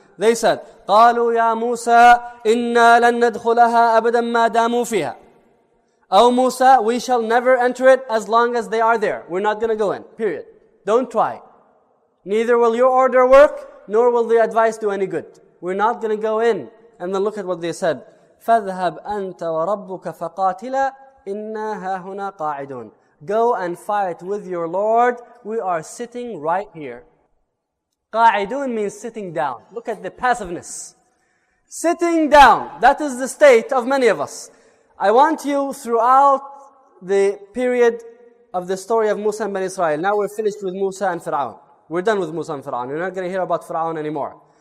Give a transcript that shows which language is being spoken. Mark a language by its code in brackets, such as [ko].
[en] They said, [ar] قَالُوا يَا مُوسَىٰ إِنَّا لَن نَدْخُلَهَا أَبْدًا مَا دَامُوا فِيهَا [en] Oh Musa, we shall never enter it as long as they are there. We're not going to go in, period. Don't try. Neither will your order work, nor will the advice do any good. We're not going to go in. And then look at what they said. [ar] فَذْهَبْ أَنْتَ وَرَبُّكَ فَقَاتِلَ إِنَّا هَهُنَا قَاعِدُونَ [en] Go and fight with your Lord. We are sitting right here. قَاعِدُونَ means sitting down. Look at the passiveness. Sitting down. That is the state of many of us. I want you throughout the period of the story of Musa and Bani Israel. Now we're finished with Musa and Fir'aun. We're done with Musa and Fir'aun. You're not going to hear about Fir'aun anymore.